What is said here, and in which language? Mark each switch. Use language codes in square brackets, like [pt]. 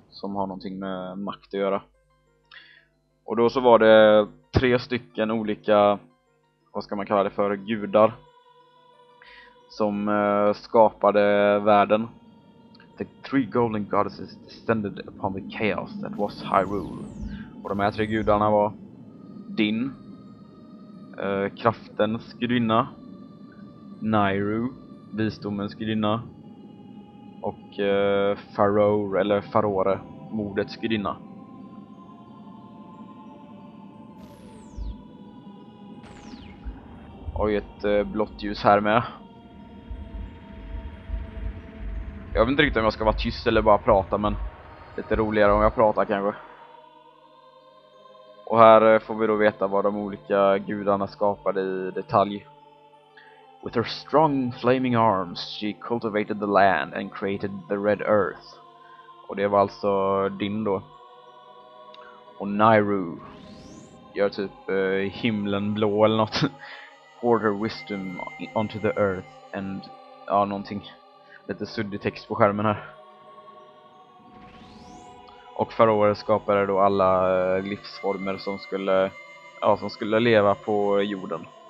[sv] Som har någonting med makt att göra. Och då så var det tre stycken olika, vad ska man kalla det för, gudar. Som skapade världen. [en] The three golden goddesses descended upon the chaos that was Hyrule. [sv] Och de här tre gudarna var Din, kraftens gudinna, Nairu, visdomens gudinna, och Faror, eller Farore, mordets gudinna. Och ett blått ljus här med. Jag vet inte riktigt om jag ska vara tyst eller bara prata, men lite roligare om jag pratar kanske. Och här får vi då veta vad de olika gudarna skapade i detalj. [en] With her strong flaming arms she cultivated the land and created the red earth. [sv] Och det var alltså Din då. Och Nairu gör typ himlen blå eller något. [en] Pour her wisdom onto the earth and [sv] ja, någonting. Lite suddig text på skärmen här. Och förra året skapade då alla livsformer som skulle, ja, som skulle leva på jorden.